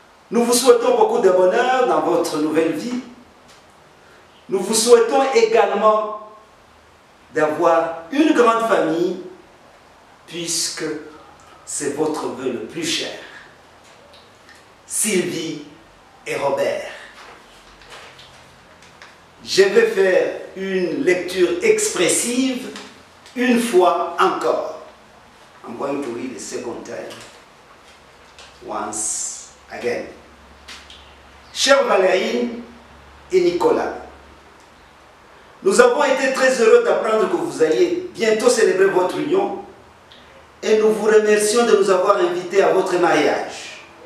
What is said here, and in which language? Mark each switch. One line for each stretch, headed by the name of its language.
French: Nous vous souhaitons beaucoup de bonheur dans votre nouvelle vie. Nous vous souhaitons également d'avoir une grande famille puisque c'est votre vœu le plus cher. Sylvie et Robert. Je vais faire une lecture expressive une fois encore.
English: I'm going to read a second time. Once again.
French: Chère Valérie et Nicolas, nous avons été très heureux d'apprendre que vous alliez bientôt célébrer votre union et nous vous remercions de nous avoir invités à votre mariage.